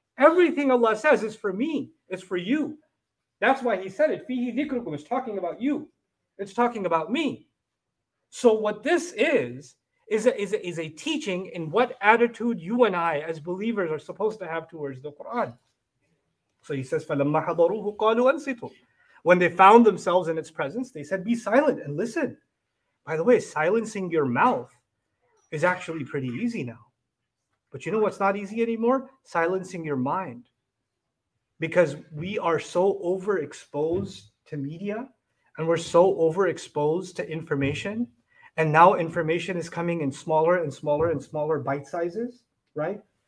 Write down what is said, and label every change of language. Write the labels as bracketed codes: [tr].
[en] Everything Allah says is for me. It's for you. That's why He said it. [ar] Fihi dhikrukum [en] is talking about you. It's talking about me. So what this is a teaching in what attitude you and I as believers are supposed to have towards the Quran. So He says, [ar] فَلَمَّا حَضَرُوهُ قَالُوا أَنْسِتُوا. [en] When they found themselves in its presence, they said, be silent and listen. By the way, silencing your mouth is actually pretty easy now. But you know what's not easy anymore? Silencing your mind. Because we are so overexposed to media, and we're so overexposed to information, and now information is coming in smaller and smaller and smaller bite sizes, right?